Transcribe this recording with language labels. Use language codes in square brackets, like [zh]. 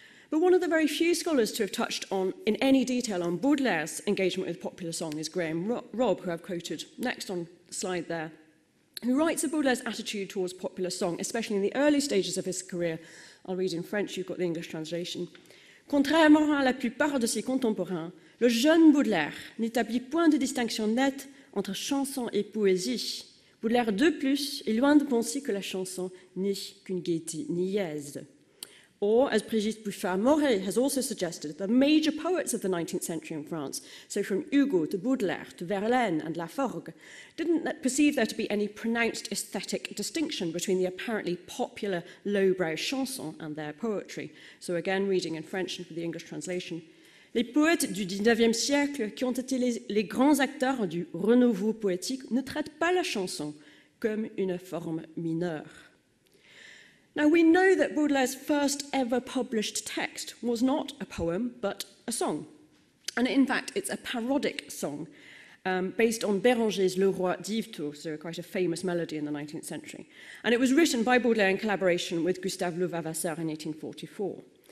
[en] But one of the very few scholars to have touched on in any detail on Baudelaire's engagement with popular song is Graham Robb, who I've quoted next on the slide there, who writes of Baudelaire's attitude towards popular song, especially in the early stages of his career. I'll read in French, you've got the English translation. [fr] Contrairement à la plupart de ses contemporains, le jeune Baudelaire n'établit point de distinction nette entre chanson et poésie. Baudelaire, de plus, est loin de penser que la chanson n'est qu'une gaieté niaise. [en] Or, as Brigitte Buffard-Moret has also suggested, the major poets of the 19th century in France, so from Hugo to Baudelaire to Verlaine and Laforgue, didn't perceive there to be any pronounced aesthetic distinction between the apparently popular lowbrow chanson and their poetry. So again, reading in French and for the English translation. [fr] Les poètes du 19e siècle, qui ont été les grands acteurs du renouveau poétique, ne traitent pas la chanson comme une forme mineure. [en] Now, we know that Baudelaire's first ever published text was not a poem, but a song. And in fact, it's a parodic song based on Béranger's Le Roi d'Yvetot, so quite a famous melody in the 19th century. And it was written by Baudelaire in collaboration with Gustave Levavasseur in 1844.